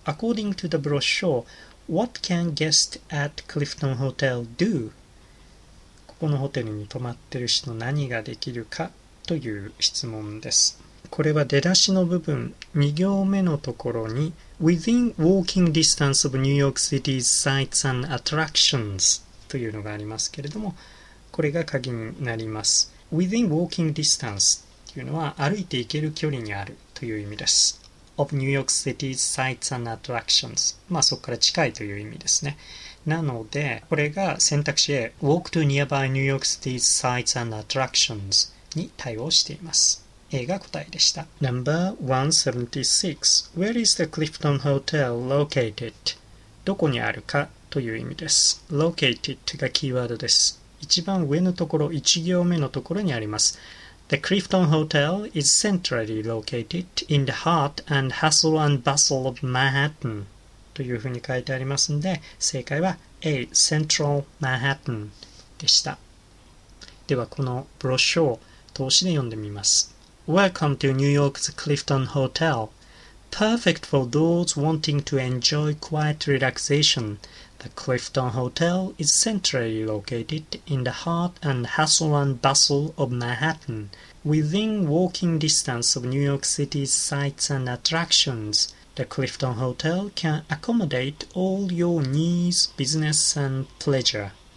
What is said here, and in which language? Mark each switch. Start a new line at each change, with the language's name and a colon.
English: According to the brochure, what can guests at Clifton Hotel do?
Japanese: ここのホテルに泊まってる人何ができるかという質問です。これは出だしの部分、2行目のところに
English: Within walking distance of New York City's sights and attractions
Japanese: というのがありますけれども、これが鍵になります。
English: within walking distance
Japanese: というのは歩いていける距離にあるという意味です。
English: of New York City's sights and attractions。
Japanese: まあそこから近いという意味ですね。なので、これが選択肢 A、
English: walk to nearby New York City's sights and attractions
Japanese: に対応しています。A が答えでした。
English: Number 176. Where is the Clifton Hotel located?
Japanese: どこにあるかという意味です。 Located がキーワードです。一番上のところ、1行目のところにあります。
English: The Clifton Hotel is centrally located in the heart and hustle and bustle of Manhattan.
Japanese: というふうに書いてありますので、正解は A.
English: Central Manhattan でした。
Japanese: ではこのブロッシュを通しで読んでみます。
English: Welcome to New York's Clifton Hotel. Perfect for those wanting to enjoy quiet relaxation. The Clifton Hotel is centrally located in the heart and hustle and bustle of Manhattan. Within walking distance of New York City's sights and attractions, the Clifton Hotel can accommodate all your needs, business and pleasure.